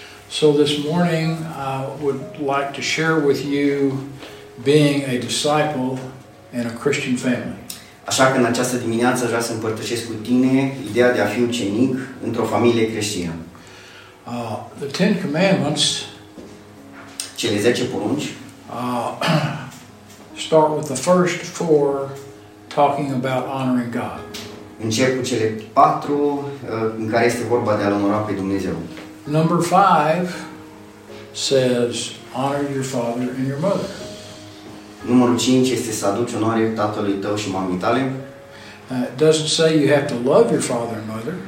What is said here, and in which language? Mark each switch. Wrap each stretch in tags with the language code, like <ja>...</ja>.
<en>So this morning I would like to share with you being a disciple in a Christian family.</en> <ro>Așa că în această dimineață vreau să împărtășesc cu tine ideea de a fi ucenic într-o familie creștină.</ro> <en>The Ten Commandments,</en> <ro>cele 10 porunci,</ro> <en>start with the first four talking about honoring God.</en> <ro>Încep cu cele 4 în care este vorba de a-L onora pe Dumnezeu.</ro> <en>Number 5 says honor your father and your mother.</en> <ro>Numărul 5 este să aduci onoare tatălui tău și mamei tale.</ro> <en>It doesn't say you have to love your father and mother.</en>